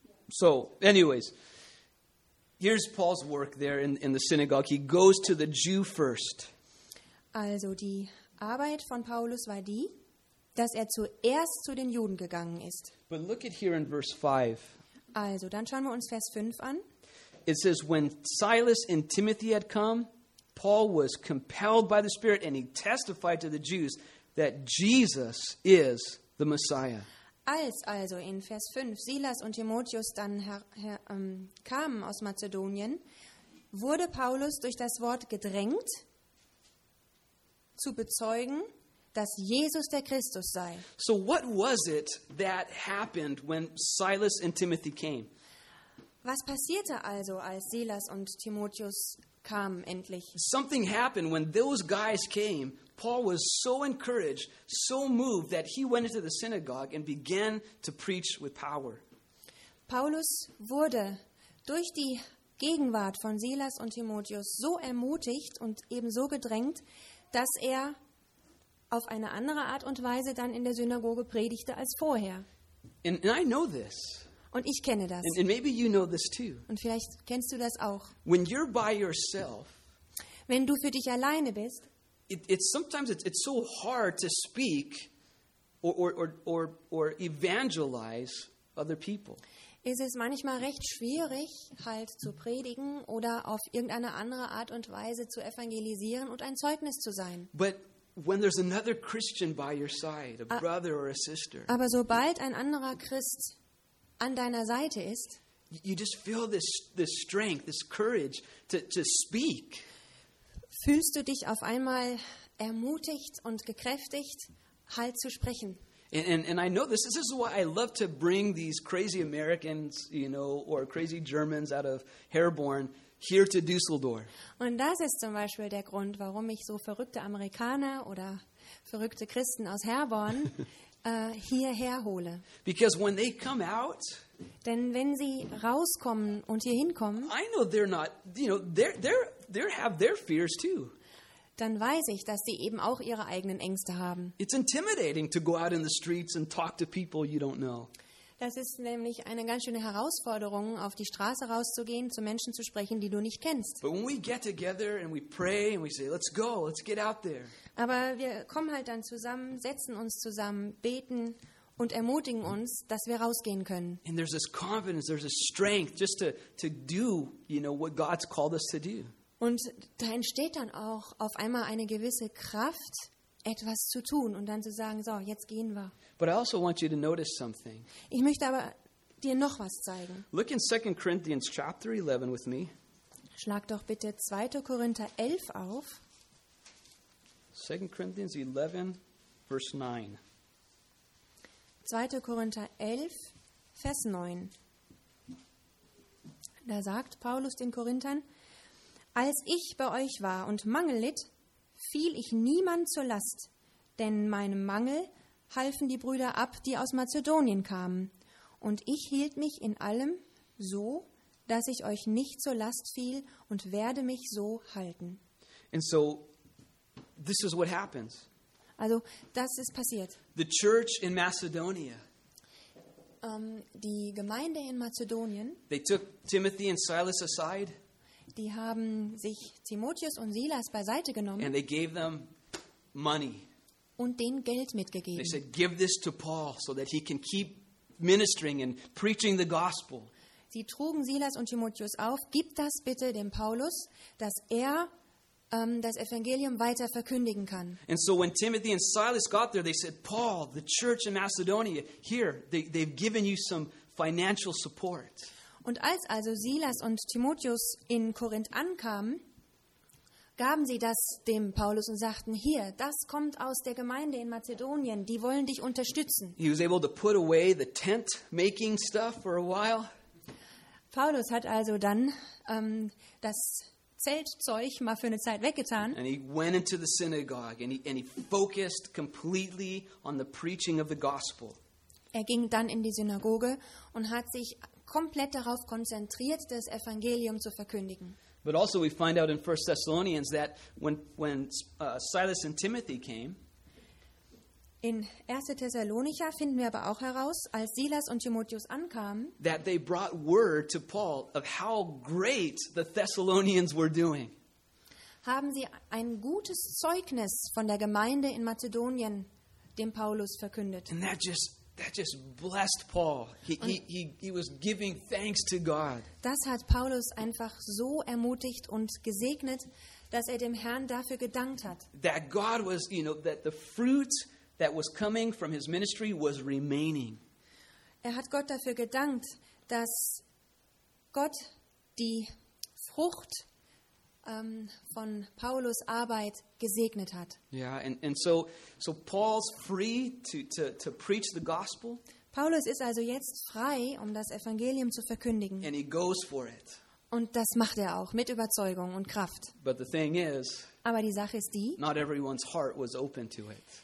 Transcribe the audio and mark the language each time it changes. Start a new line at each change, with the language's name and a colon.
English: So, anyways, here's Paul's work there in the synagogue. He goes to the Jew first.
German: Also die Arbeit von Paulus war die, dass er zuerst zu den Juden gegangen ist.
English: But look at here in verse 5.
German: Also, dann schauen wir uns Vers 5 an.
English: It says, when Silas and Timothy had come, Paul was compelled by the Spirit and he testified to the Jews that Jesus is the Messiah.
German: Als also in Vers 5 Silas und Timotheus dann kamen aus Mazedonien, wurde Paulus durch das Wort gedrängt, zu bezeugen, dass Jesus der Christus sei.
English: So what was it that happened when Silas and Timothy came?
German: Was passierte also, als Silas und Timotheus kamen endlich?
English: Something happened when those guys came. Paul was so encouraged, so moved that he went into the synagogue and began to preach with power.
German: Paulus wurde durch die Gegenwart von Silas und Timotheus so ermutigt und eben so gedrängt, dass er auf eine andere Art und Weise dann in der Synagoge predigte als vorher.
English: And I know this.
German: Und ich kenne das.
English: And maybe you know this too.
German: Und vielleicht kennst du das auch.
English: When you're by yourself,
German: wenn du für dich alleine bist,
English: it's so hard to speak or evangelize other people.
German: Es ist manchmal recht schwierig, halt zu predigen oder auf irgendeine andere Art und Weise zu evangelisieren und ein Zeugnis zu sein.
English: But when there's another Christian by your side, a brother or a sister.
German: Aber sobald ein anderer Christ an deiner Seite ist,
English: you just feel this strength, this courage to speak.
German: Fühlst du dich auf einmal ermutigt und gekräftigt, halt zu sprechen?
English: And I know this is why I love to bring these crazy Americans, you know, or crazy Germans out of Herborn here to Düsseldorf.
German: Und das ist zum Beispiel der Grund, warum ich so verrückte Amerikaner oder verrückte Christen aus Herborn hierher hole.
English: Because when they come out,
German: denn wenn sie rauskommen und hier hinkommen,
English: I know they're not, you know, they have their fears too.
German: Dann weiß ich, dass sie eben auch ihre eigenen Ängste haben.
English: It's intimidating to go out in the streets and talk to people you don't know.
German: Das ist nämlich eine ganz schöne Herausforderung, auf die Straße rauszugehen, zu Menschen zu sprechen, die du nicht kennst.
English: But when we get together and we pray and we say, let's go, let's get out there.
German: Aber wir kommen halt dann zusammen, setzen uns zusammen, beten und ermutigen uns, dass wir rausgehen können.
English: And there's this confidence, there's this strength just to do, you know, what God's called us to do.
German: Und da entsteht dann auch auf einmal eine gewisse Kraft, etwas zu tun und dann zu sagen, so, jetzt gehen wir.
English: But I also want you to notice something.
German: Ich möchte aber dir noch was zeigen.
English: Look in 2 Corinthians chapter 11 with me.
German: Schlag doch bitte 2. Korinther 11 auf.
English: 2 Corinthians 11, verse 9.
German: 2. Korinther 11, Vers 9. Da sagt Paulus den Korinthern, als ich bei euch war und Mangel litt, fiel ich niemand zur Last, denn meinem Mangel halfen die Brüder ab, die aus Mazedonien kamen. Und ich hielt mich in allem so, dass ich euch nicht zur Last fiel und werde mich so halten.
English: And so, this is what happens.
German: Also, das ist passiert.
English: The church in Macedonia.
German: Die Gemeinde in Mazedonien.
English: They took Timothy and Silas aside.
German: Die haben sich Timotheus und Silas beiseite genommen
English: and they gave them money.
German: Und denen Geld mitgegeben.
English: They said, give this to Paul so that he can keep ministering and preaching the gospel.
German: Sie trugen Silas und Timotheus auf, gib das bitte dem Paulus, dass er das Evangelium weiter verkündigen kann.
English: And so when Timothy and Silas got there, they said, Paul, the church in Macedonia, here, they've given you some financial support.
German: Und als also Silas und Timotheus in Korinth ankamen, gaben sie das dem Paulus und sagten, hier, das kommt aus der Gemeinde in Mazedonien, die wollen dich unterstützen.
English: He was able to put away the tent-making stuff for a while.
German: Paulus hat also dann das Zeltzeug mal für eine Zeit weggetan.
English: And he went into the synagogue and he focused completely on the preaching of the gospel.
German: Er ging dann in die Synagoge und hat sich komplett darauf konzentriert, das Evangelium zu verkündigen.
English: But also we find out in 1 Thessalonians that when Silas and Timothy came,
German: in 1. Thessalonicher finden wir aber auch heraus, als Silas und Timotheus ankamen,
English: that they brought word to Paul of how great the Thessalonians were doing.
German: Haben sie ein gutes Zeugnis von der Gemeinde in Mazedonien dem Paulus verkündet.
English: And that just blessed Paul. He was giving thanks to God.
German: Das hat Paulus einfach so ermutigt und gesegnet, dass er dem Herrn dafür gedankt hat.
English: That God was, you know, that the fruit that was coming from his ministry was remaining.
German: Er hat Gott dafür gedankt, dass Gott die Frucht von Paulus Arbeit gesegnet hat.
English: Yeah, and so Paul's free to preach the gospel.
German: Paulus ist also jetzt frei, um das Evangelium zu verkündigen.
English: And he goes for it.
German: Und das macht er auch mit Überzeugung und Kraft.
English: But the thing is,
German: aber die Sache ist die,
English: not everyone's heart was open to it.